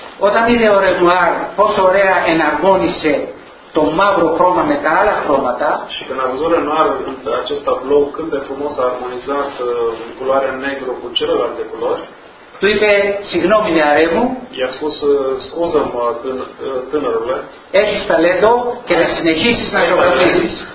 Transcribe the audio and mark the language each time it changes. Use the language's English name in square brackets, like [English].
[Greek] Όταν είδε ο Ρενουάρ πόσο ωραία εναρμόνισε το μαύρο χρώμα με τα άλλα χρώματα. [Romanian] Și când a văzut Renoir acest tablou cât de frumos a armonizat culoarea negru cu celelalte culori. [Greek] Tu είπε, συγγνώμη νεαρέ μου. [Romanian] I-a spus, scuză mă tânărule. [Greek] Έχεις ταλέντο και να συνεχίσεις να ζωγραφίζεις.